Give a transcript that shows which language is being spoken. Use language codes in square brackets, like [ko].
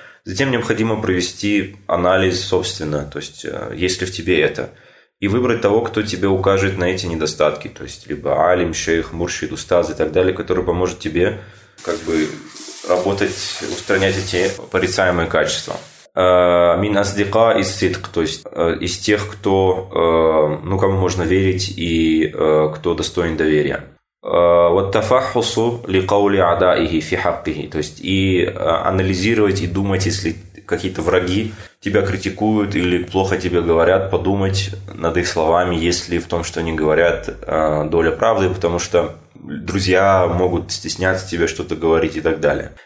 [ru] Затем необходимо провести анализ собственно, то есть есть ли в тебе это, и выбрать того, кто тебе укажет на эти недостатки, то есть либо алим, шейх, муршид, устаз и так далее, который поможет тебе как бы работать, устранять эти порицаемые качества. [ar] Мин аздика и ситк, [ru] то есть из тех, кто, ну, кому можно верить и кто достоин доверия. [ar] والتفحص لقول أعدائه في حقه. [ru] То есть и анализировать и думать, если какие-то враги тебя критикуют или плохо тебе говорят, подумать над их словами, есть ли в том, что они говорят, доля правды, потому что друзья могут стесняться тебе что-то говорить и так далее.